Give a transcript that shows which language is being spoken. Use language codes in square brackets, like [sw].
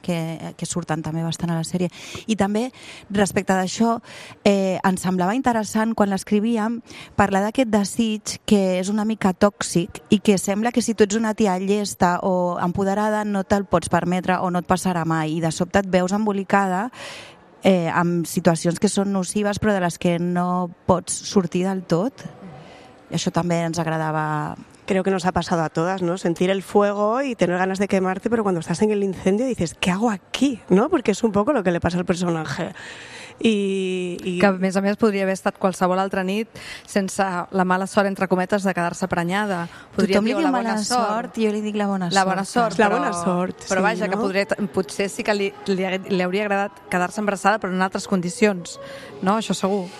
[ca] Que surten també bastant a la sèrie. I també respecte d'això, ens semblava interessant quan l'escrivíem parlar d'aquest desig que és una mica tòxic i que sembla que si tu ets una tia llesta o empoderada no te'l pots permetre o no et passarà mai, i de sobte et veus embolicada amb situacions que són nocives però de les que no pots sortir del tot. I això també ens agradava. [es] Creo que nos ha pasado a todas, ¿no? Sentir el fuego y tener ganas de quemarte, pero cuando estás en el incendio dices, ¿qué hago aquí? ¿No? Porque es un poco lo que le pasa al personaje. [ca] I que a més podria haver estat qualsevol altra nit sense la mala sort, entre cometes, de quedar-se prenyada. Podria tothom li diu la mala sort i jo li dic la bona sort. La bona sort, la bona sort, però sí, vaja, no? Que potser sí que li hauria agradat quedar-se embarassada, però en altres condicions, no? Això segur.